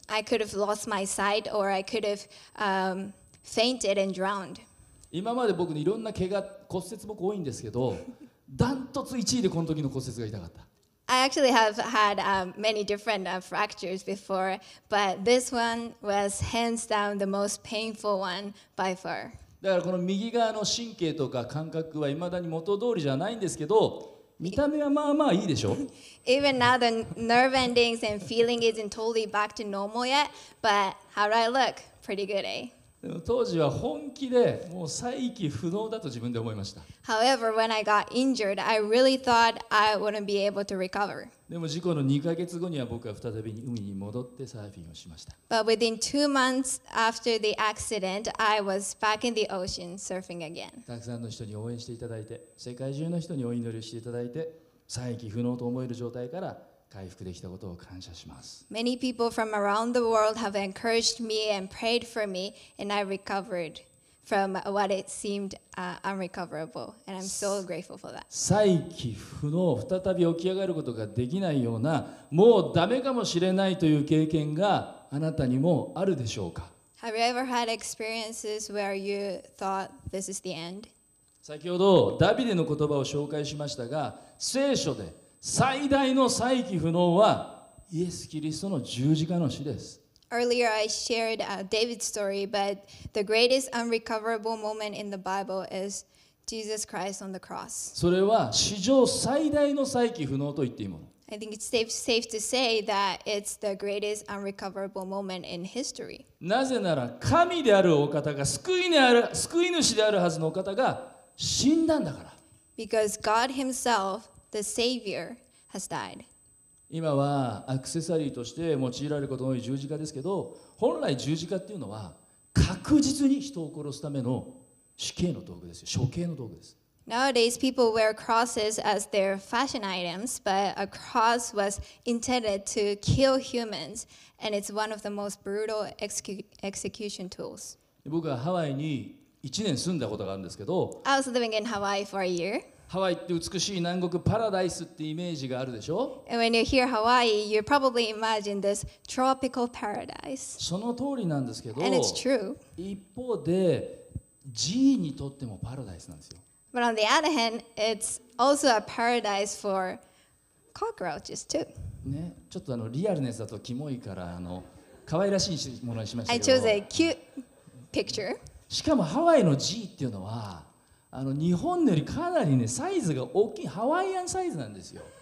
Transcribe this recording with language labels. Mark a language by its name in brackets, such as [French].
[English] I could have lost my sight or I could have fainted and drowned. [Japanese] 今まで僕にいろんな怪我、骨折僕多いんですけど、ダントツ1位でこの時の骨折が痛かった。 [English] I actually have had many different fractures before, but this one was hands down the most painful one by far. [Japanese] だからこの右側の神経とか感覚は未だに元通りじゃないんですけど、見た目はまあまあいいでしょ。 [English] Even now the nerve endings and feeling isn't totally back to normal yet, but how do I look? Pretty good, eh? [Japanese] でも当時は本気でもう再起不能だと自分で思いました。 [English] However, when I got injured, I really thought I wouldn't be able to recover. [Japanese] でも事故の2ヶ月後には僕は再び海に戻ってサーフィンをしました。 [English] But within 2 months after the accident, I was back in the ocean surfing again. [Japanese] たくさんの人に応援していただいて、世界中の人にお祈りしていただいて、再起不能と思える状態から回復できたことを感謝します。 [English] Many people from around the world have encouraged me and prayed for me, and I recovered from what it seemed unrecoverable. And I'm so grateful for that. [Japanese] 再起不能、再び起き上がることができないような、もうダメかもしれないという経験があなたにもあるでしょうか。 [English] Have you ever had experiences where you thought this is the end? [Japanese] 先ほどダビデの言葉を紹介しましたが、聖書で最大の再起不能はイエス・キリストの十字架の死です。 [English] Earlier I shared David's story, but the greatest unrecoverable moment in the Bible is Jesus Christ on the cross. [Japanese] それは史上最大の再起不能と言っていいもの。 [English] I think it's safe to say that it's the greatest unrecoverable moment in history. [Japanese] なぜなら神であるお方が救い主であるはずのお方が死んだんだから。 [English] Because God Himself,The Savior has died. [Japanese] 今はアクセサリーとして用いられることの多い十字架ですけど、本来十字架っていうのは確実に人を殺すための死刑の道具ですよ。処刑の道具です。 [English] Nowadays, people wear crosses as their fashion items, but a cross was intended to kill humans, and it's one of the most brutal execution tools. [Japanese] 僕はハワイに1年住んだことがあるんですけど、 [English] I was living in Hawaii for a year. [Japanese] ハワイって美しい南国パラダイスってイメージがあるでしょ。 [English] And when you hear Hawaii, you probably imagine this tropical paradise. [Japanese] その通りなんですけど、 [English] And it's true. [Japanese] 一方で、G にとってもパラダイスなんですよ。 [English] But on the other hand, it's also a paradise for cockroaches too. [Japanese] ね、ちょっとリアルネスだとキモいから、可愛らしいものにしましたけど。 [English] I chose a cute picture. [Japanese] しかもハワイの G っていうのは、日本よりかなりねサイズが大きいハワイアンサイズなんですよ。